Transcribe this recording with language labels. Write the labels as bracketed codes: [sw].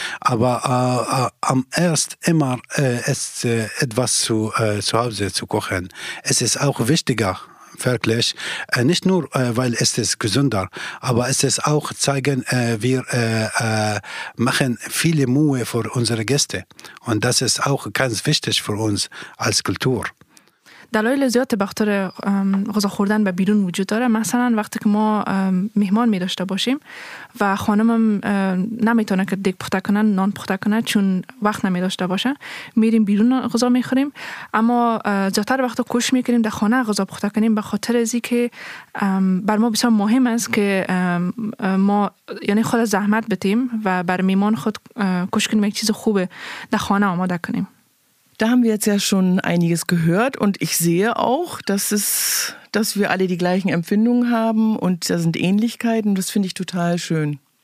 [de] Aber am erst immer ist etwas zu Hause zu kochen. Es ist auch wichtiger. Wirklich. Nicht nur, weil es ist gesünder, aber es ist auch zeigen, wir machen viele Mühe für unsere Gäste. Und das ist auch ganz wichtig für uns als Kultur. [fa] دلایل زیاد به خاطر غذا خوردن به بیرون وجود داره. مثلا وقتی که ما مهمان می داشته باشیم و خانمم نمیتونه که دیگ پخته کنن نان پخته کنن چون وقت نمی داشته باشه میریم بیرون غذا می خوریم اما زیادتر وقتا کوشش می کنیم در خانه غذا پخته کنیم به خاطر ازی که بر ما بسیار مهم است که ما یعنی خود زحمت بدیم و بر مهمان خود کوشش کنیم یک چیز خوب در خانه آماده کنیم. [de] Da haben wir jetzt ja schon einiges gehört und ich sehe auch, dass wir alle die gleichen Empfindungen haben und da sind Ähnlichkeiten und das finde ich total schön.